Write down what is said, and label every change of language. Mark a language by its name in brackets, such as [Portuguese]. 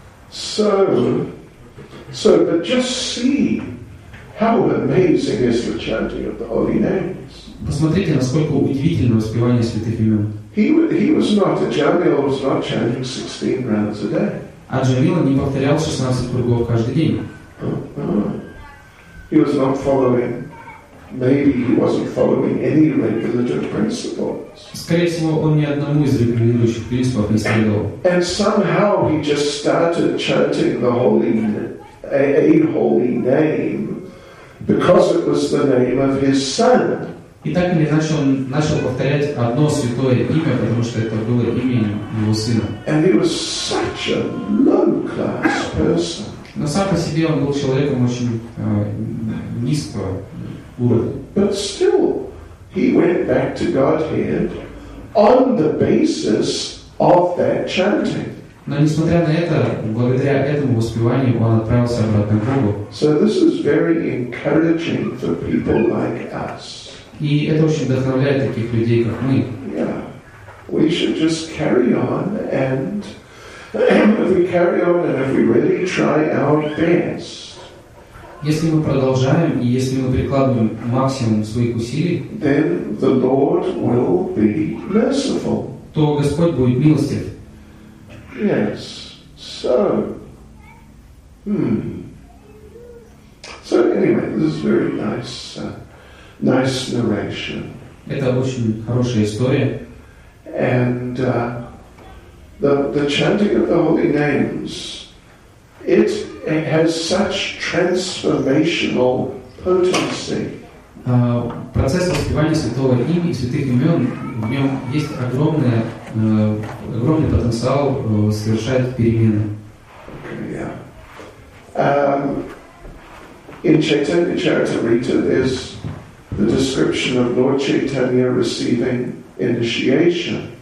[English] So, but just see how amazing is the chanting of the holy names. [Russian] Посмотрите, насколько удивительно воспевание святых имен. [English] Jamil was not chanting 16 rounds a day. [Russian] А Джамила не повторял 16 кругов каждый день. [English] He was not following. Maybe he wasn't following any regulative principles. [Russian] Скорее всего, он ни одному из регулирующих принципов не следовал. [English] And somehow he just started chanting the holy, a holy name, because it was the name of his son. [Russian] И так или иначе он начал повторять одно святое имя, потому что это было именем его сына. [English] And he was such a low-class person. [Russian] Но сам по себе он был человеком очень низкого уровня. [English] But still, he went back to Godhead on the basis of that chanting. [Russian] Но несмотря на это, благодаря этому воспеванию, он отправился обратно к Богу. [English] So this is very encouraging for people like us. [Russian] И это очень вдохновляет таких людей, как мы. [English] Yeah. We should just carry on, and if we carry on, and if we really try our best, [Russian] если мы продолжаем и если мы прикладываем максимум своих усилий, [English] then the Lord will be merciful. [Russian] То Господь будет милостив. [English] Yes. So. So anyway, this is very nice. Nice narration. [Russian] Это очень хорошая история. [English] And the chanting of the holy names, it has such transformational potency. [Russian] Процесс воспевания святого имени, святых имен, в нем есть огромный потенциал совершать перемены. [English] Okay, yeah. In Chaitanya Charitamrita there's the description of Lord Chaitanya receiving initiation.